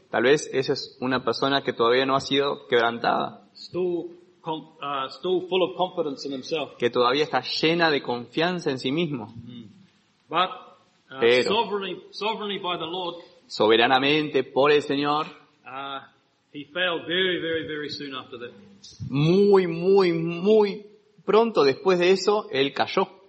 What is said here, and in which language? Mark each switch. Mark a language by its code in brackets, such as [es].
[es] Tal vez esa es una persona que todavía no ha sido quebrantada. [en] Still full of confidence in himself. [es] Que todavía está llena de confianza en sí mismo. [en] Mm-hmm. But, [es] pero, [en] sovereignly by the Lord, [es] soberanamente por el Señor, [en] he failed very, very, very soon after that. [es] Muy, muy, muy pronto después de eso, él cayó.